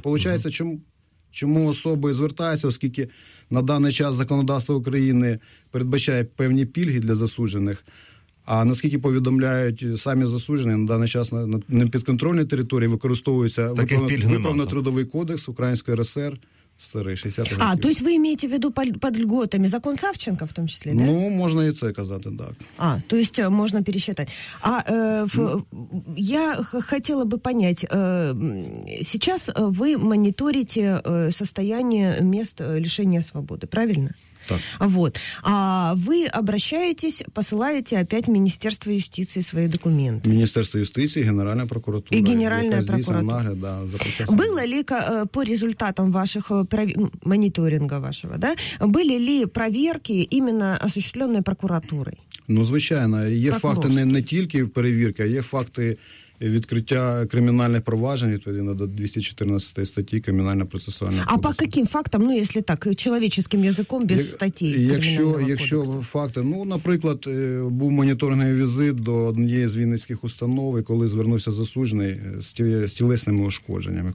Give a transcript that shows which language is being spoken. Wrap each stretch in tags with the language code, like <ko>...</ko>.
<uk>Получається, чому особи звертаються, оскільки на даний час законодавство України передбачає певні пільги для засуджених, а наскільки повідомляють самі засуджені, на даний час на підконтрольній території використовується виправно-трудовий кодекс Української РСР. Старий, 60 років.</uk> <ru>А, то есть вы имеете в виду под льготами закон Савченко в том числе, да?</ru> <uk>Ну, можно и це казати, так.</uk> <ru>А, то есть можно пересчитать. А я хотела бы понять, сейчас вы мониторите состояние мест лишения свободы, правильно?</ru> <uk>Так.</uk> <ru>Вот. А вы обращаетесь, посылаете опять Министерство юстиции свои документы. Министерство юстиции, Генеральная прокуратура. И Генеральная прокуратура. Нагляд, да, за процессом. Было ли по результатам ваших мониторинга вашего, да, были ли проверки именно осуществленные прокуратурой?</ru> <uk>Ну, звичайно, є факти не тільки перевірки, а є факти відкриття кримінальних проваджень, відповідно до 214 статті кримінально-процесуального кодексу. А по яким фактам, ну, якщо так, чоловічим язиком, без статті? Якщо факти, ну, наприклад, був моніторний візит до однієї з вінницьких установ, і коли звернувся засуджений з тілесними ушкодженнями.</uk>